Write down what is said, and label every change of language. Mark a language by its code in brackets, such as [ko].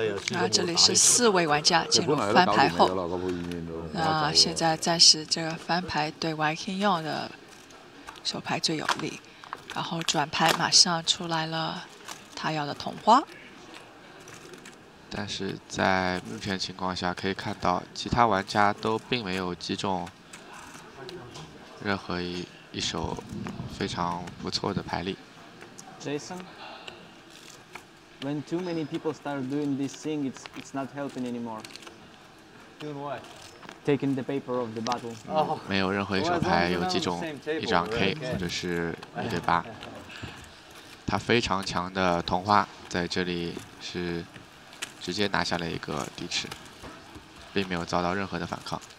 [zh] 那这里是四位玩家进入翻牌后，那现在暂时这个翻牌对 Viking 用的手牌最有利，然后转牌马上出来了他要的同花。但是在目前情况下可以看到其他玩家都并没有击中任何一手非常不错的牌力。 [en] Jason? When too many people start doing this thing, it's not helping anymore. Doing what? Taking the paper off the bottle. [zh] 没有任何一手牌有击中一张 K 或者是一对八。他非常强的同花在这里是直接拿下了一个底池，并没有遭到任何的反抗。